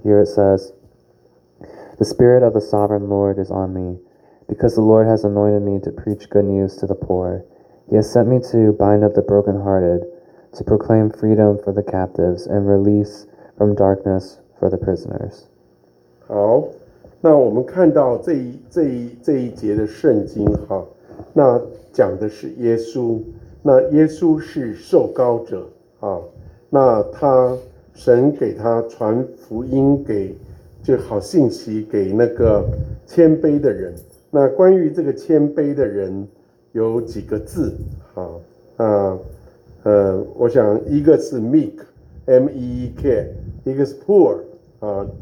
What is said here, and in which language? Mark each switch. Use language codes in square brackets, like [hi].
[en] Here it says, "The Spirit of the Sovereign Lord is on me, because the Lord has anointed me to preach good news to the poor. He has sent me to bind up the brokenhearted, to proclaim freedom for the captives, and release from darkness for the prisoners." [zh] 好，那我们看到这一节的圣经哈，那讲的是耶稣，那耶稣是受膏者啊，那他神给他传福音给，就好信息给那个谦卑的人。那关于这个谦卑的人有几个字啊？那我想一个是 meek， M E E K， 一个是 poor 啊。